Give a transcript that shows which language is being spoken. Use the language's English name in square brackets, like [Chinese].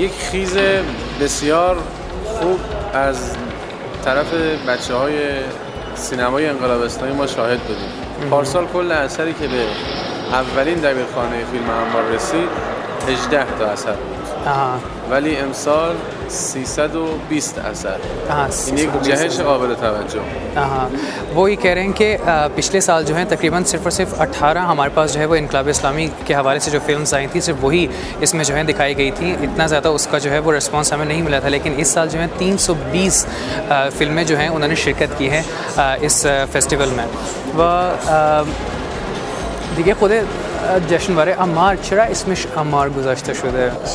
[Persian] یک خیز بسیار خوب از طرف بچه های سینمای انقلاب اسلامی ما شاهد بودیم. پارسال کل اثری که به اولین دبیرخانه فیلم انبار رسید 18 تا اثر بود، ولی امسال 320 اثر. این یک جهش قابل توجه. [Urdu] وہ یہ کہہ رہے ہیں کہ پچھلے سال جو ہیں تقریباً صرف اور صرف 18 ہمارے پاس جو ہے وہ انقلاب اسلامی کے حوالے سے جو فلمز آئی تھیں صرف وہی اس میں جو ہیں دکھائی گئی تھیں. اتنا زیادہ اس کا جو ہے وہ رسپانس ہمیں نہیں ملا تھا، لیکن اس سال جو ہیں 320 فلمیں جو ہیں انہوں نے شرکت کی ہیں اس فیسٹیول میں. [Persian] وہ دیگه خود جشن برای عمار، چرا اسمش عمار گذاشته شده؟